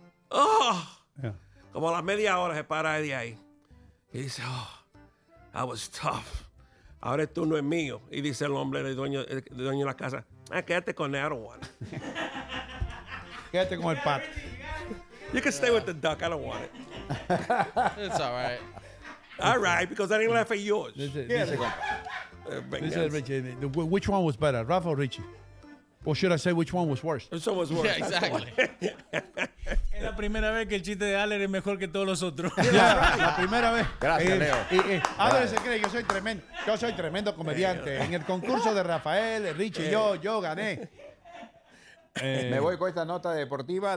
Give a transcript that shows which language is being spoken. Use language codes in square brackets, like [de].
[es] Como a las media hora se para de ahí. Y dice, [en] oh, that was tough. [es] Ahora el turno es mío. Y dice el hombre, el dueño de la casa, ah, quédate con el one. Quédate con el pato. [en] You can stay with the duck. I don't want it. It's all right. All right, because I didn't laugh at yours. This is Richie. Which one was better, Rafa or Richie? Or should I say which one was worse? Which one was worse. Yeah, exactly. [es] Es la primera vez que el chiste de Aller es mejor que todos los otros. [en] Yeah, [es] la primera vez. Gracias, Leo. Aller se cree, yo soy tremendo comediante. En el concurso de Rafael, Richie, yo gané. Me voy con esta nota deportiva.